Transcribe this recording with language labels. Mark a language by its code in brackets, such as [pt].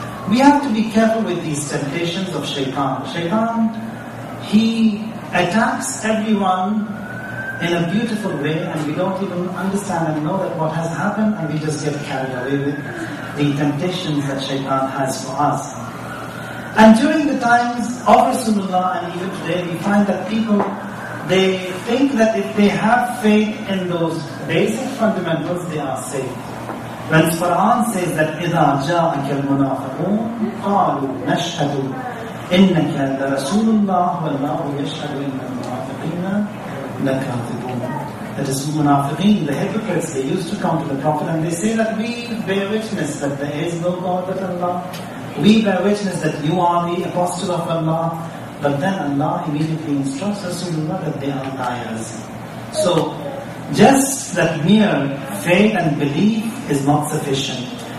[en] We have to be careful with these temptations of shaitan. Shaitan, he attacks everyone in a beautiful way, and we don't even understand and know that what has happened, and we just get carried away with the temptations that shaitan has for us. And during the times of Rasulullah and even today, we find that people, they think that if they have faith in those basic fundamentals, they are safe. When Quran says that [ar] إِذَا جَاءَكَ الْمُنَافِقُونَ قَالُوا نَشْهَدُ إِنَّكَ لَرَسُولُ اللَّهُ وَاللَّهُ يَشْهَدُ إِنَّ الْمُنَافِقِينَ لَكَاذِبُونَ. [en] That is, munafiqeen, the hypocrites, they used to come to the Prophet and they say that we bear witness that there is no God but Allah. We bear witness that you are the apostle of Allah. But then Allah immediately instructs Rasulullah that they are liars. So, just that mere faith and belief is not sufficient.